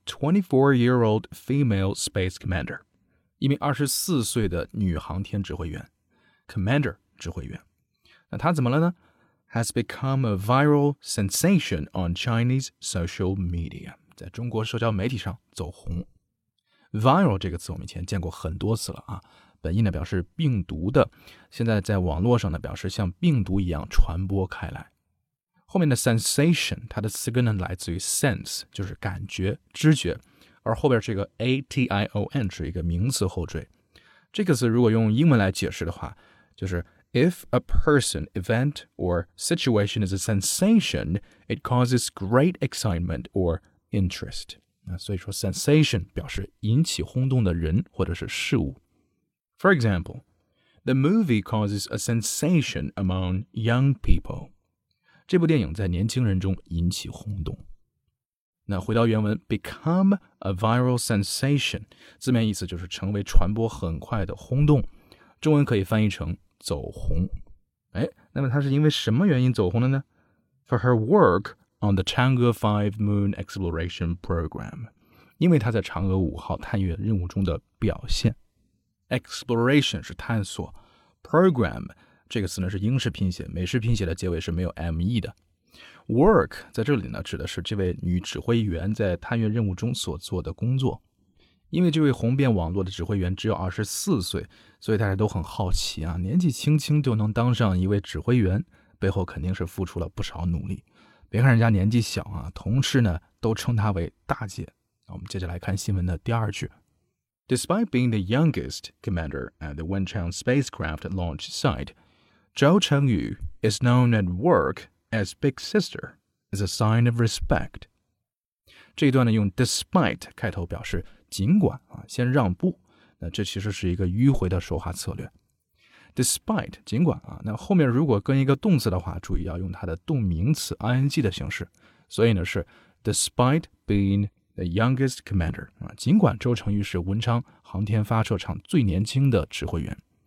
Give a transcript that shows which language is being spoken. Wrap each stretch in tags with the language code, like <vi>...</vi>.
<en>24-year-old female space commander.</en> <zh>一名24岁的女航天指挥员。Commander, 指挥员。那她怎么了呢?</zh> <en>Has become a viral sensation on Chinese social media.</en> <zh>在中国社交媒体上走红。</zh> <en>Viral</en> <zh>这个词我们以前见过很多次了啊。本意呢表示病毒的。现在在网络上呢表示像病毒一样传播开来。后面的 sensation, 它的词根呢来自于 sense, 就是感觉、知觉。而后边这个 ation 是一个名词后缀。这个词如果用英文来解释的话，就是</zh> <en>If a person, event, or situation is a sensation, it causes great excitement or interest.</en> <zh>所以说 sensation 表示引起轰动的人或者是事物。</zh> <en>For example, the movie causes a sensation among young people.</en> <zh>这部电影在年轻人中引起轰动。那回到原文</zh> <en>,become a viral sensation,</en> <zh>字面意思就是成为传播很快的轰动。中文可以翻译成走红。哎，那么它是因为什么原因走红的呢</zh> <en>?For her work on the Chang'e 5 Moon Exploration Program.</en> <zh>因为她在嫦娥5号探月任务中的表现。 Exploration 是探索。</zh> <en>Program,</en> <zh>这个词呢是英式拼写，美式拼写的结尾是没有 me 的。 Work 在这里呢指的是这位女指挥员在探月任务中所做的工作。因为这位红遍网络的指挥员只有24岁，所以大家都很好奇啊，年纪轻轻就能当上一位指挥员，背后肯定是付出了不少努力。别看人家年纪小啊，同事呢都称她为大姐。我们接着来看新闻的第二句。</zh> <en>Despite being the youngest commander at the Wenchang spacecraft launch site,Zhou Chengyu is known at work as Big Sister is a sign of respect.</en> <zh>这一段呢用 despite 开头表示尽管、啊、先让步，那这其实是一个迂回的说话策略。 Despite, 尽管、啊、那后面如果跟一个动词的话，注意要用它的动名词 ing 的形式。所以呢是</zh> <en>despite being the youngest commander,、</en> <zh>啊、尽管周成宇是文昌航天发射场最年轻的指挥员。</zh>